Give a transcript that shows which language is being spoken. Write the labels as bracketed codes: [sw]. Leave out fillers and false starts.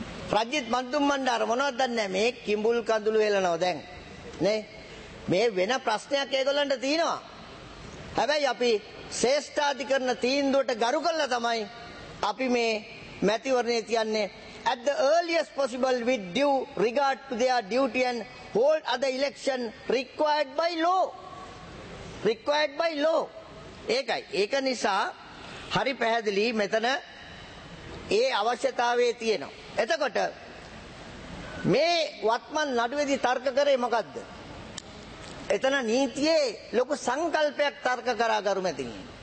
[si] ප්‍රජිත් මන්දුම් මණ්ඩාර මොනවද දන්නේ මේ කිඹුල් කඳුළු එළනවා දැන් නේ. මේ වෙන ප්‍රශ්නයක් ඒගොල්ලන්ට තියෙනවා. හැබැයි අපි ශ්‍රේෂ්ඨාධිකරණ තීන්දුවට ගරු කළා තමයි අපි මේ මැතිවරණය කියන්නේ [en] at the earliest possible with due regard to their duty and hold other election required by law. Required by law. [si] ඒකයි. ඒක නිසා හරි පැහැදිලි මෙතන ඒ අවශ්‍යතාවයේ තියෙනවා. එතකොට මේ වත්මන් නඩුවේදී තර්ක කරේ මොකද්ද? එතන නීතියේ ලොකු සංකල්පයක් තර්ක කරා ගරු මැතිනි.